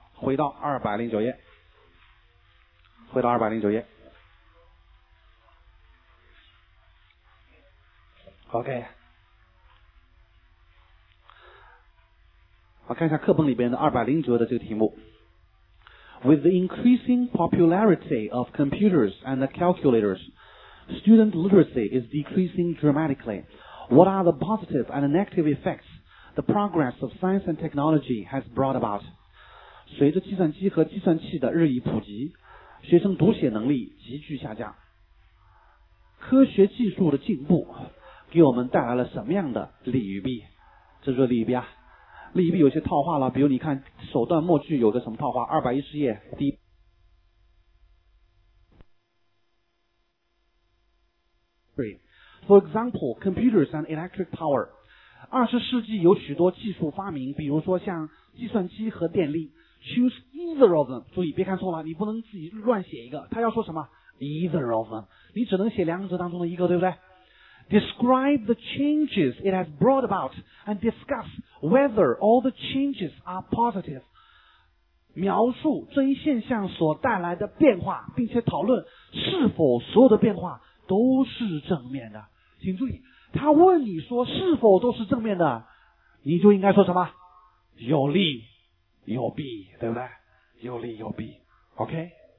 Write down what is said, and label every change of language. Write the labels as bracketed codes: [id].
[zh] 回到209页。 [en] OK。 [zh] 我看一下课本里边的209的这个题目。 [en] With the increasing popularity of computers and calculators, student literacy is decreasing dramatically. What are the positive and negative effects the progress of science and technology has brought about? [zh] 随着计算机和计算器的日益普及，学生读写能力急剧下降。科学技术的进步给我们带来了什么样的利与弊？这就是利与弊啊。利弊有些套话了，比如你看首段末句有个什么套话，210页第一，对 ， [en] For example, computers and electric power. [zh] 二十世纪有许多技术发明，比如说像计算机和电力。 [en] Choose either of them. [zh] 注意别看错了，你不能自己乱写一个。他要说什么 ？ [en] Either of them. [zh] 你只能写两者当中的一个，对不对？ [en] Describe the changes it has brought about and discuss whether all the changes are positive. [zh] 描述这一现象所带来的变化，并且讨论是否所有的变化都是正面的。请注意，他问你说是否都是正面的，你就应该说什么？有利有弊，对不对？有利有弊。OK?